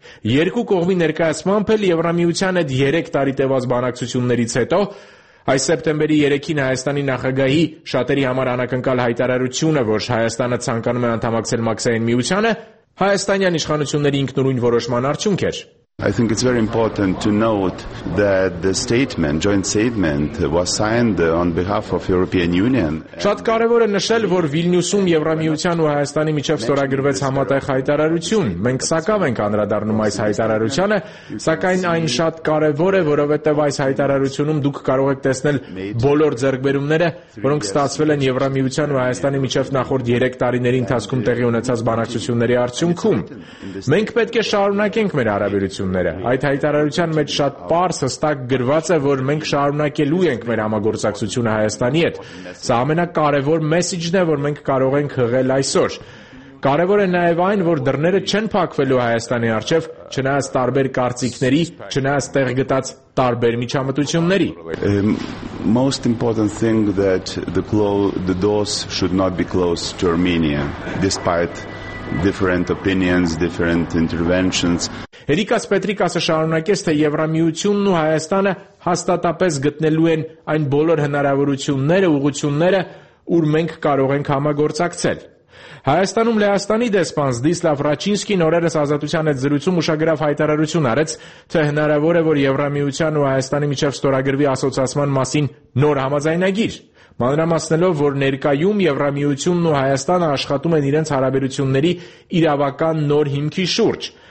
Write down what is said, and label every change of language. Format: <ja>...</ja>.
<hy>Երկու կողմի ներկայացմամբ էլ Եվրամիության այդ 3 տարի տևած բանակցություններից հետո այս սեպտեմբերի 3-ին Հայաստանի նախագահի շատերի համար անակնկալ հայտարարությունը, որ Հայաստանը ցանկանում է անդամակցել Մաքսային միությանը, հայաստանյան իշխանությունների ինքնուրույն որոշման արդյունք էր։</hy> <en>I think it's very important to note that the statement, joint statement, was signed on behalf of European Union.</en> <hy>Շատ կարևոր է նշել, որ Վիլնյուսում Եվրամիության ու Հայաստանի միջև ստորագրվեց համատեղ հայտարարություն։ Մենք սակավ ենք անդրադառնում այս հայտարարությանը, սակայն այն շատ կարևոր է, որովհետև այս հայտարարությունում դուք կարող եք տեսնել բոլոր ձեռքբերումները, որոնք ստացվել են Եվրամիության ու Հայաստանի միջև նախորդ 3 տարիների ընթացքում տեղի ունեցած բանակցությունների արդյունքում։ Մենք պետք է շարունակենք մեր հարաբերությունները։ Այդ հայտարարության մեջ շատ պարզ հստակ գրված է, որ մենք շարունակելու ենք մեր համագործակցությունը Հայաստանի հետ։ Սա ամենակարևոր մեսիջն է, որ մենք կարող ենք հղել այսօր։ Կարևոր է նաև այն, որ դռները չեն փակվելու Հայաստանի առջև, չնայած տարբեր կարծիքների, չնայած տեղ գտած տարբեր միջամտությունների։</hy> <en>Most important thing that the doors should not be closed to Armenia despite different opinions, different interventions.</en> <hy>Էրիկաս Պետրիկասը շարունակեց, թե Եվրամիությունն ու Հայաստանը հաստատապես գտնելու են այն բոլոր հնարավորությունները, ուղղությունները, ուր մենք կարող ենք համագործակցել։ Հայաստանում Լեհաստանի դեսպան Զդիսլավ Ռաչինսկին օրերս Ազատության հետ զրույցում ուշագրավ հայտարարություն արեց, թե հնարավոր է, որ Եվրամիության ու Հայաստանի միջև ստորագրվի ասոցիացման մասին նոր համաձայնագիր։ Մանրամասնելով, որ ներկայում Եվրամիությունն ու Հայաստանը աշխատում են իրենց հարաբերությունների իրավական նոր հիմքի շուրջ,</hy>